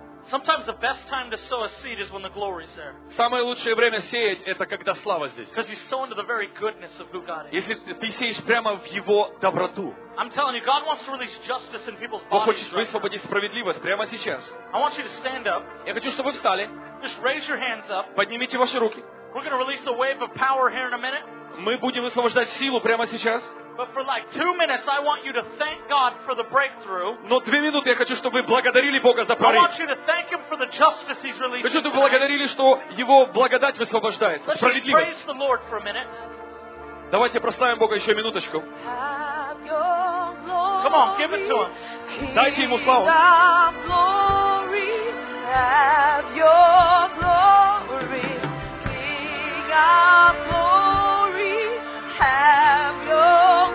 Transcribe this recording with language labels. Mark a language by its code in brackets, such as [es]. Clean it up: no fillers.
[en] Sometimes the best time to sow a seed is when the glory is there. [ru] Самое лучшее время сеять это когда слава здесь. [en] Because you sow into the very goodness of who God is. [ru] Если ты сеешь прямо в Его доброту. [en] I'm telling you, God wants to release justice in people's bodies. [ru] Бог хочет высвободить справедливость прямо сейчас. [en] I want you to stand up. [ru] Я хочу, чтобы вы встали. [en] Just raise your hands up. [ru] Поднимите ваши руки. [en] We're going to release a wave of power here in a minute. [ru] Мы будем высвобождать силу прямо сейчас. [en] But for like 2 minutes, I want you to thank God for the breakthrough. [ru] Но 2 минуты я хочу, чтобы вы благодарили Бога за прорыв. [en] I want you to thank Him for the justice He's releasing. [ru] Хочу, чтобы вы благодарили, что Его благодать высвобождается. Справедливость. [en] Let's praise the Lord for a minute. [ru] Давайте прославим Бога еще минуточку. [en] Come on, give it to Him. [ru] Дайте Ему славу. [en] Have glory, have Your glory, King of glory, have Your.